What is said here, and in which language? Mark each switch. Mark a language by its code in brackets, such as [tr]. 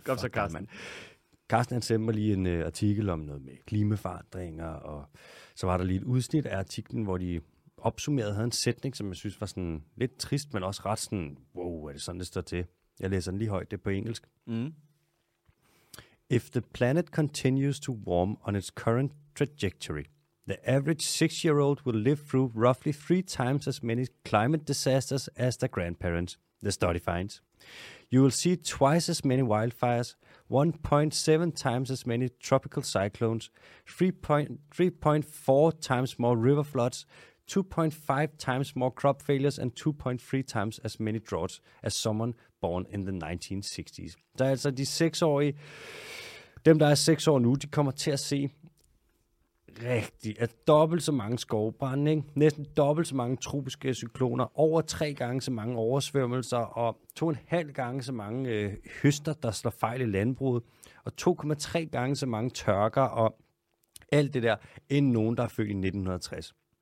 [da] Kom så, Carsten. Carsten, han sendte mig lige en artikel om noget med klimaforandringer, og så var der lige et udsnit af artiklen, hvor de opsummerede, havde en sætning, som jeg synes var sådan lidt trist, men også ret sådan, wow, er det sådan, det står til? Jeg læser den lige højt, det på engelsk. Mm. [en] If the planet continues to warm on its current trajectory, the average 6-year-old will live through roughly 3 times as many climate disasters as their grandparents, the study finds. You will see twice as many wildfires, 1.7 times as many tropical cyclones, 3.4 times more river floods, 2.5 times more crop failures, and 2.3 times as many droughts as someone born in the 1960s. [da] Der er altså de 6-årige, dem der er 6 år nu, de kommer til at se rigtig, at dobbelt så mange skovbrande, ikke? Næsten dobbelt så mange tropiske cykloner, over 3 gange så mange oversvømmelser, og 2,5 gange så mange høster, der slår fejl i landbruget, og 2,3 gange så mange tørker, og alt det der, end nogen, der er født i 1960.